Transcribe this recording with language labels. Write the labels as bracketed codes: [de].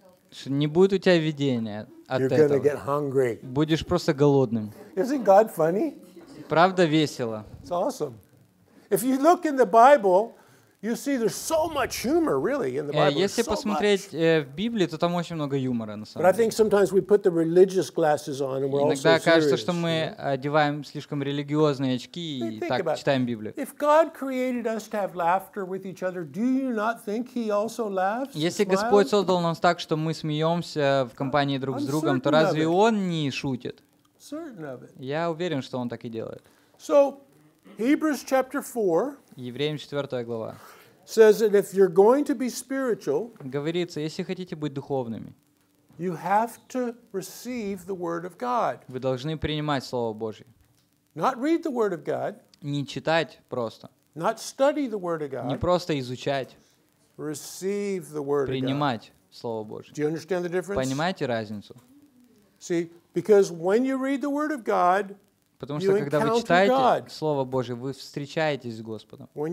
[ru] Что не будет у тебя видения от [en] You're [ru] этого. [en] Gonna get hungry. [ru] Будешь просто голодным. [en] Isn't God funny? [ru] Правда весело. [en] It's awesome. If you look in the Bible, You see, there's so much humor, really, in the Bible. [ru] Если [en] so [ru] посмотреть [en] much. [ru] В Библии, то там очень много юмора, на самом деле. [en] But I think sometimes we put the religious glasses on, and we're also serious. [ru] Иногда кажется, что мы одеваем слишком религиозные очки и так читаем Библию. [en] If God created us to have laughter with each other, do you not think He also laughs? [ru] Если Господь создал нас так, что мы смеемся в компании друг с другом, то разве Он не шутит? [en] Certain of it. [ru] Я уверен, что Он так и делает. [en] So, Hebrews chapter 4. [ru] Евреям 4 глава. [en] Says that if you're going to be spiritual, [ru] говорится, если хотите быть духовными, [en] you have to receive the word of God. [ru] Вы должны принимать слово Божье. [en] Not read the word of God. [ru] Не читать просто. [en] Not study the word of God. [ru] Не просто изучать. [en] Receive the word of God. [ru] Принимать слово Божье. [en] Do you understand the difference? [ru] Понимаете разницу? [en] See, because when you read the word of God, [ru] потому что, когда вы читаете Слово Божие, вы встречаетесь с Господом.